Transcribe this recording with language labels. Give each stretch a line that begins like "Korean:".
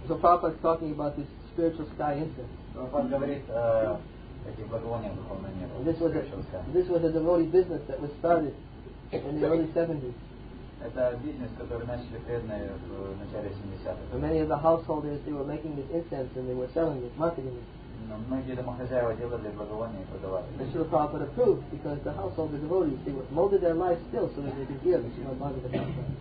English: So Prabhupada is talking about this spiritual sky incense.
Russian: Prabhupada говорит эти благовония в духовном небе.
English: This was a devotee business that was started in the early 70s.
Russian: Это бизнес, который начали преданные в начале 70-х.
English: Many of the householders, they were making this incense and they were selling it, marketing it.
Russian: Но многие домохозяева делали благовония и продавали.
English: The Srila Prabhupada approved because the householder devotees, they molded their lives still so that they could hear the Srila Prabhupada.